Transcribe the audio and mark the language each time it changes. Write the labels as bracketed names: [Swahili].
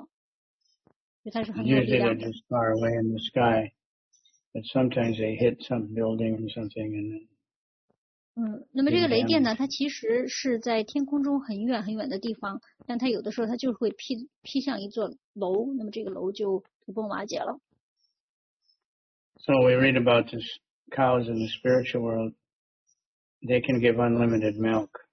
[Chinese] 那比如说有的时候我们看到这个天空中的电闪劈雷，那么这个一个雷劈到这个楼上，这个楼就被弄，就被摧毁了。它是很有力量的。 [English] Usually they're just far away in the sky, but sometimes they hit some building or something and. [Chinese] 那么这个雷电呢，它其实是在天空中很远很远的地方，但它有的时候它就是会劈向一座楼，那么这个楼就土崩瓦解了。 [English] So we read about the cows in the spiritual world; they can give unlimited milk.